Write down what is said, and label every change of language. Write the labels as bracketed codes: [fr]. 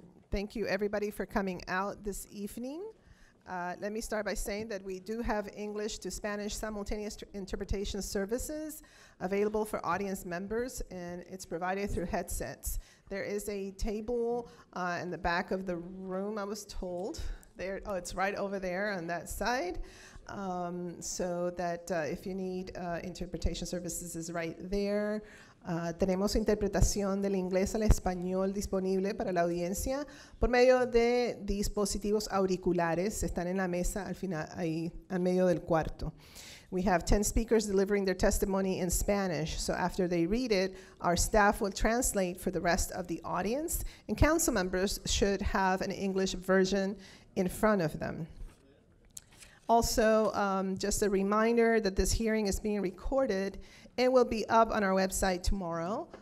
[en] Thank you everybody for coming out this evening. Let me start by saying that we do have English to Spanish simultaneous interpretation services available for audience members, and it's provided through headsets. There is a table in the back of the room, I was told. There, oh, it's right over there on that side. So that if you need interpretation services, is right there. [es] Tenemos interpretación del inglés al español disponible para la audiencia por medio de dispositivos auriculares. Están en la mesa al final, ahí en medio del cuarto. [en] We have 10 speakers delivering their testimony in Spanish. So after they read it, our staff will translate for the rest of the audience, and council members should have an English version in front of them. Also, just a reminder that this hearing is being recorded and will be up on our website tomorrow.